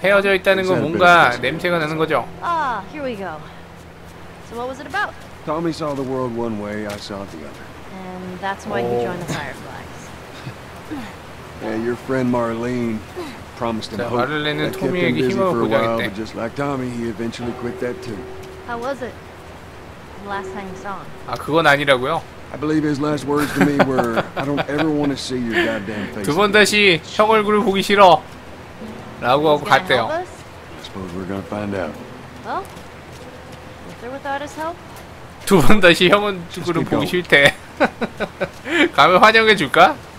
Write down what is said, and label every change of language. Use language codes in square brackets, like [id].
[ko] 헤어져 있다는 건 뭔가 냄새가 나는 거죠. [en] Ah, here we go. So what was it about? Tommy saw the world one way. I saw it the other. And that's why he joined the Fireflies. Yeah, your friend Marlene promised him hope. [ko] 마를레는 토미에게 힘을 보장했대. [en] For a while, but just like Tommy, he eventually quit that too. How was it? The last time you saw him. [ko] 아, 그건 아니라고요. [en] I believe his last words to me were, "I don't ever want to see your goddamn face." [ko] 두 번 다시 형 얼굴을 보기 싫어. 라고 하고 갔대요. [en] I suppose we're gonna find out. Well, with or without his help. [ko] 두 번 다시 형 얼굴을 보기 싫대. 가면 환영해 줄까?